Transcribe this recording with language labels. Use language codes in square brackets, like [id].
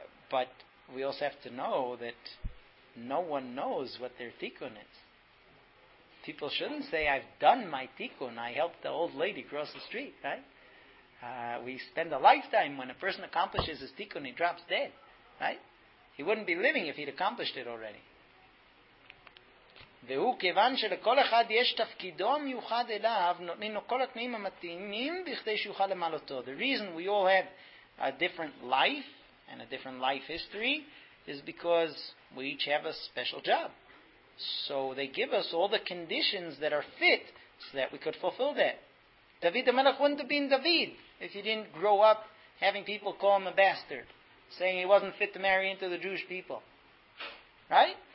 [en] But we also have to know that no one knows what their tikkun is. People shouldn't say, I've done my tikkun, I helped the old lady cross the street, right? We spend a lifetime when a person accomplishes his tikkun, he drops dead, right? He wouldn't be living if he'd accomplished it already. [he] והוא כיוון שלכל אחד יש תפקידו מיוחד אליו, נותנים לו כל התנאים המתאימים בכדי שיוכל למלותו. [en] The reason we all have a different life and a different life history is because we each have a special job. So they give us all the conditions that are fit so that we could fulfill that. David HaMelech wouldn't have been David if he didn't grow up having people call him a bastard, saying he wasn't fit to marry into the Jewish people. Right?